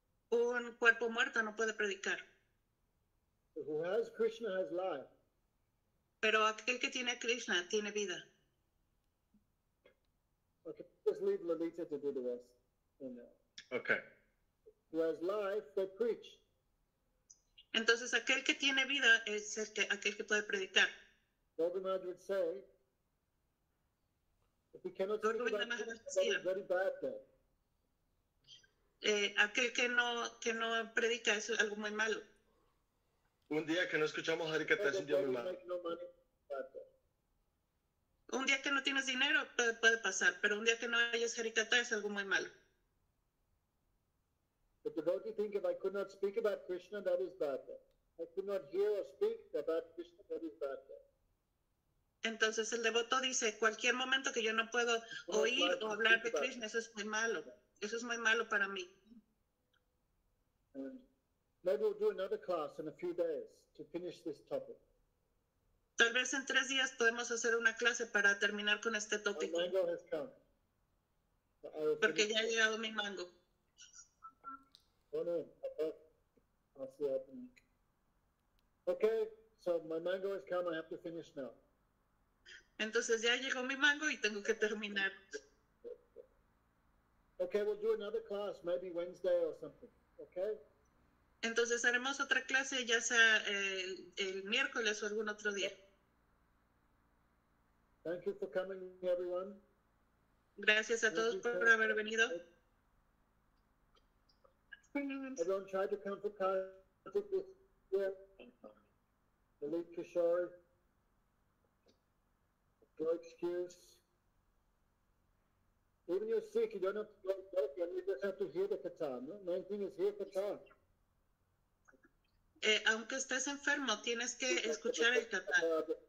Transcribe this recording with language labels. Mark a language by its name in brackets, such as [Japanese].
[Spanish] Un cuerpo muerto no puede predicar. [English] Who has Krishna has life. [Spanish] Pero aquel que tiene a Krishna tiene vida. [English] Okay, let's leave Lalita to do the rest. Okay. Who has life, they preach. [Spanish] Entonces aquel que tiene vida es aquel que puede predicar. [English] Bhagavad would say, if we cannot speak about Krishna, it's very bad then. [Spanish] Aquel que no predica es algo muy malo. Un día que no escuchamos Harikata es un día muy malo. Un día que no tienes dinero puede pasar, pero un día que no oyes Harikata es algo muy malo. [English] The devotee think if I could not speak about Krishna, that is bad. I could not hear or speak about Krishna, that is bad. [Spanish] Entonces el devoto dice, cualquier momento que yo no puedo oír o hablar de Krishna, eso es muy malo. Eso es muy malo para mí. [English] Maybe we'll do another class in a few days to finish this topic. [Spanish] Tal vez en 3 días podemos hacer una clase para terminar con este tópico. [English] My mango has come. [Spanish] Porque ya ha llegado mi mango. [English] Bueno, I'll see you happening. Okay, so my mango has come. I have to finish now. [Spanish] Entonces ya llegó mi mango y tengo que terminar. [English] Okay, we'll do another class, maybe Wednesday or something. Okay? [Spanish] Entonces haremos otra clase, ya sea el miércoles o algún otro día. [English] Thank you for coming, everyone. [Spanish] Gracias a todos por haber venido. [English] Everyone try to come for Kartik this year. Dilip Kishore. No excuse. Even you're sick, you don't have to go to bed, you just have to hear the katha, no? Main thing is hear katha. [Spanish] Aunque estés enfermo, tienes que escuchar el katha.